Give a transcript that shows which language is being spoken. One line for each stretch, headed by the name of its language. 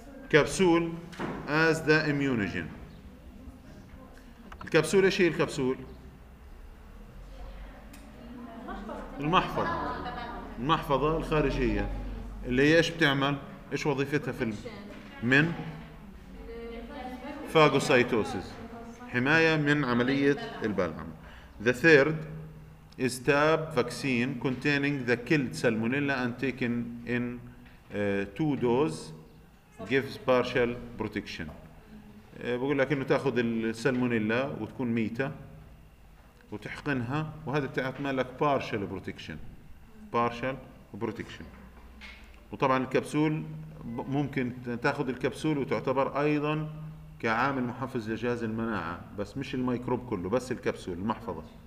English: Capsule is the immunogen.
Arabic: الكبسول ايش هي الكبسول؟ المحفظة. المحفظة الخارجية اللي هي ايش بتعمل؟ ايش وظيفتها في من فاجوسايتوسيس، حماية من عملية البلعم.
English: The third is tab vaccine containing the killed salmonella and taken in two doses gives partial protection.
Arabic: بقول لك انه تاخذ السالمونيلا وتكون ميتة وتحقنها وهذا بتعمل لك
English: partial protection. partial protection.
Arabic: وطبعا الكبسول ممكن تاخذ الكبسول وتعتبر ايضا كعامل محفز لجهاز المناعة، بس مش الميكروب كله، بس الكبسول المحفظة.